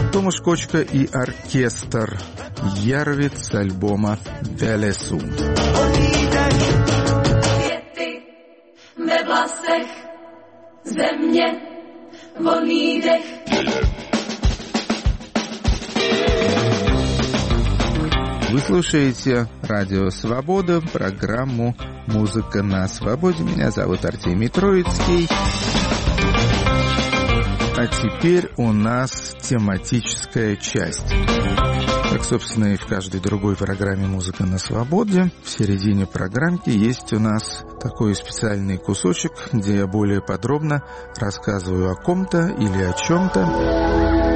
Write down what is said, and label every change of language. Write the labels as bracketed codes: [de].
[ru] Скочка и оркестр «Ярвит» с альбома «Велесу». [cs] Květy ve vlasech, země, volný dech. [ru] Вы слушаете «Радио Свобода», программу «Музыка на свободе». Меня зовут Артемий Троицкий. А теперь у нас тематическая часть. Как, собственно, и в каждой другой программе «Музыка на свободе», в середине программки есть у нас такой специальный кусочек, где я более подробно рассказываю о ком-то или о чем-то.